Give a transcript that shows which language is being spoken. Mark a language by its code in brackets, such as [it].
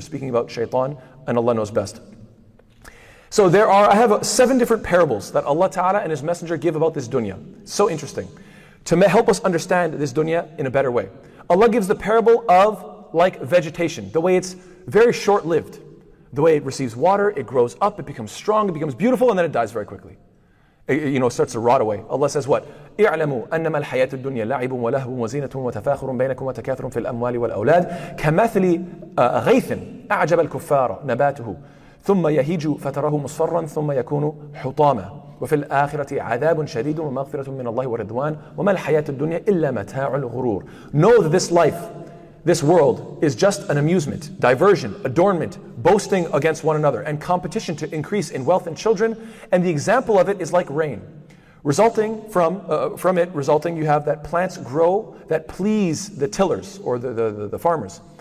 [en] Speaking about shaitan, and Allah knows best. So I have 7 different parables that Allah Ta'ala and His Messenger give about this dunya. So interesting. To help us understand this dunya in a better way. Allah gives the parable of like vegetation, the way it's very short-lived, the way it receives water, it grows up, it becomes strong, it becomes beautiful, and then it dies very quickly. It starts to rot away. Allah says what? [ar] اعلموا أنما الحياة الدنيا لعب ولهو وزينة وتفاخر بينكم وتكاثر في الأموال والأولاد كمثل غيث أعجب الكفار نباته ثم يهيج فتره مصفرا ثم يكون حطاما وفي الآخرة عذاب شديد ومغفرة من الله ورضوان وما الحياة الدنيا إلا متاع الغرور. [en] Know that this life, this world, is just an amusement, diversion, adornment, boasting against one another, and competition to increase in wealth and children. And the example of it is like rain, resulting from it, you have that plants grow that please the tillers or the farmers.